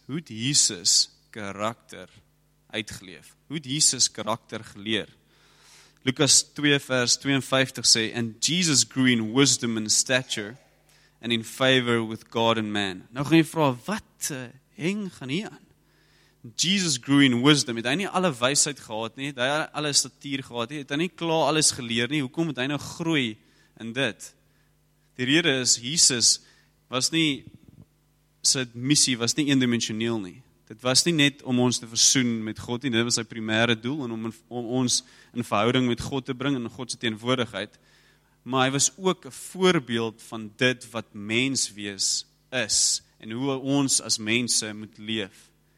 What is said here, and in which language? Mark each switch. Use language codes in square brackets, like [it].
[af] Hoe het Jesus karakter uitgeleef? Hoe het Jesus karakter geleer? Lukas 2 vers 52 sê, [en] and Jesus grew in wisdom and stature and in favor with God and man. [af] Nou gaan jy vra, wat heng gaan hier aan? Jesus grew in wisdom, het hy nie alle wysheid gehad nie, het hy alle statuur gehad nie, het hy nie klaar alles geleer nie, hoekom het hy nou groei in dit? Die rede is, Jesus was nie, sy missie was nie eendimensioneel nie, dit was nie net om ons te versoen met God nie, dit was sy primêre doel, en om ons in verhouding met God te bring, en God se teenwoordigheid, maar hy was ook 'n voorbeeld van dit wat mens wees is, en hoe ons as mense moet leef.